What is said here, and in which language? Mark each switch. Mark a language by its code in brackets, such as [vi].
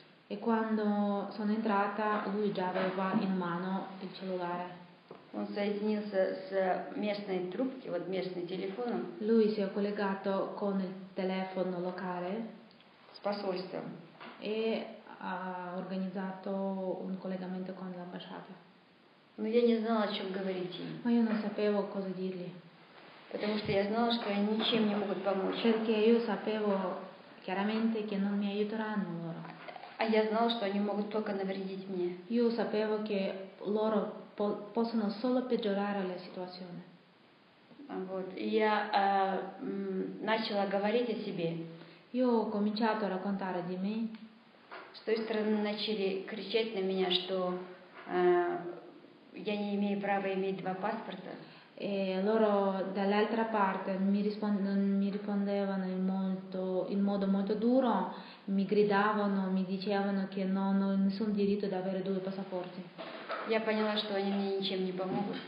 [it] E quando sono entrata, lui già aveva in mano il cellulare. [ru] Он соединился с местной трубки, вот местным телефоном. [it] Lui si è collegato con il telefono locale. [ru] С посольством. [it] E ha organizzato un collegamento con l'ambasciata. [ru] Но я не знала, о чем говорить ей. [it] Ma io non sapevo cosa dirgli. [ru] Потому что я знала, что они ничем не могут помочь. [it] Perché io sapevo chiaramente che non mi aiuteranno loro. [ru] А я знала, что они могут только навредить мне. [it] Io sapevo che loro possono solo peggiorare la situazione. [ru] Вот. И я начала говорить о себе. [it] Io ho cominciato a raccontare di me. [ru] С той стороны начали кричать на меня, что я не имею права иметь два паспорта. [it] E loro dall'altra parte mi rispondevano in modo molto duro, mi gridavano, mi dicevano che non ho nessun diritto di avere due passaporti. [ru] Я поняла, что они мне ничем не помогут.